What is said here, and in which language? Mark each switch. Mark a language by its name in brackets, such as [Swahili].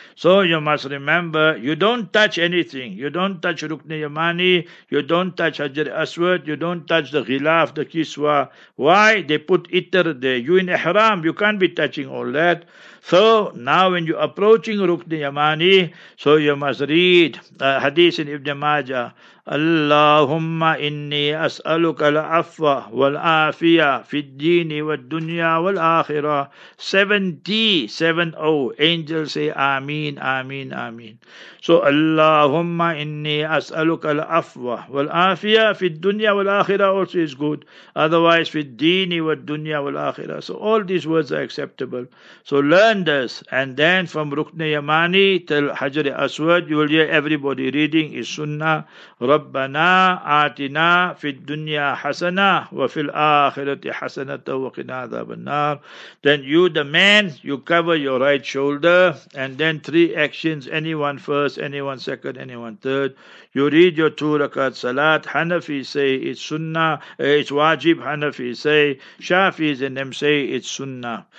[English] So you must remember, you don't touch anything. You don't touch Rukne Yamani. You don't touch Hajar Aswad. You don't touch the Ghilaf, the Kiswa. Why? They put itar there. You in ihram, you can't be touching all that. So now when you're approaching Rukne Yamani, so you must read hadith in Ibn Majah. [Arabic] اللهم إني أسألك العفو والعافية في الدين والدنيا والآخرة. [English] 70 angels say [Arabic] آمين آمين آمين. [English] So [Arabic] اللهم إني أسألك العفو والعافية في الدنيا والآخرة [English] also is good. Otherwise [Arabic] في الدين والدنيا والآخرة. [English] So all these words are acceptable. So learn this, and then from ركن يماني till حجر أسود you will hear everybody reading is Sunnah. [Arabic] ربنا آتنا في الدنيا حسنة وفي الآخرة حسنة وقنا عذاب النار. [English] Then you, the man, you cover your right shoulder, and then three actions, anyone first, anyone second, anyone third. You read your two rakat salat. Hanafi say it's sunnah, it's wajib. Hanafi say, Shafi's and them say it's sunnah.